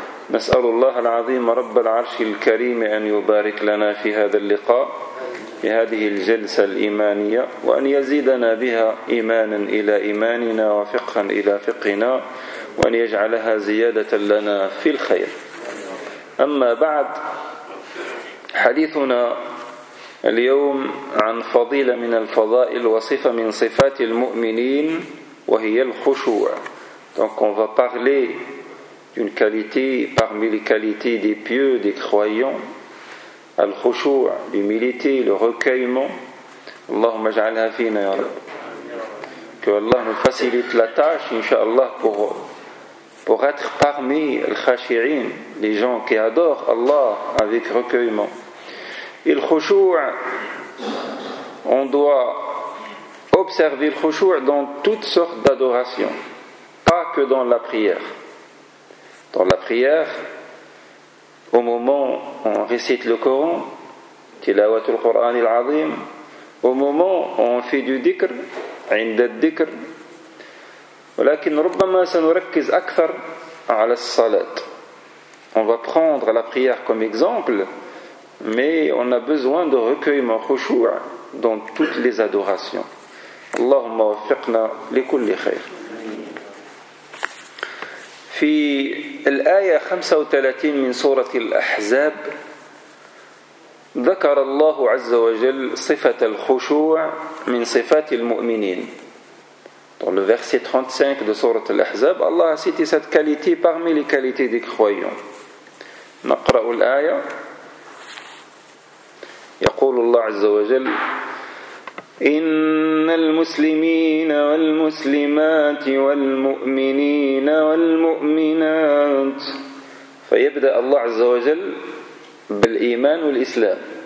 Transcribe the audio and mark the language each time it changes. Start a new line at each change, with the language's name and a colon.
Arabic: نسأل الله العظيم رب العرش الكريم أن يبارك لنا في هذا اللقاء في هذه الجلسة الإيمانية وأن يزيدنا بها إيمانا إلى إيماننا وفقها إلى فقهنا وأن يجعلها زيادة لنا في الخير. أما بعد، حديثنا اليوم عن فضيلة من الفضائل وصفة من صفات المؤمنين وهي الخشوع.
French: Donc on va parler d'une qualité parmi les qualités des pieux, des croyants.
Arabic: الخشوع,
French: l'humilité, le recueillement.
Arabic: اللهم اجعلها فينا يا رب.
French: que Allah nous facilite la tâche, inshallah, pour être parmi les khashi'in, les gens qui adorent Allah avec recueillement. Et le khushu', on doit observer le khushu' dans toutes sortes d'adorations, pas que dans la prière. Dans la prière, au moment où on récite le Coran,
Arabic: tilawatul Qur'an al-Azim,
French: au moment où on fait du dhikr,
Arabic: عند الذكر ولكن ربما سنركز اكثر على الصلاه.
French: On va prendre la prière comme exemple, mais on a besoin de recueillement khushu' dans toutes les adorations.
Arabic: اللهم وفقنا لكل خير. في الايه 35 من سوره الاحزاب ذكر الله عز وجل صفة الخشوع من صفات المؤمنين.
French: Dans le verset 35 de sourate Al-Ahzab, Allah a cité cette qualité parmi les qualités des croyants.
Arabic: نقرأ الآية. يقول الله عز وجل: إن المسلمين والمسلمات والمؤمنين والمؤمنات. فيبدأ الله عز وجل بالإيمان والإسلام.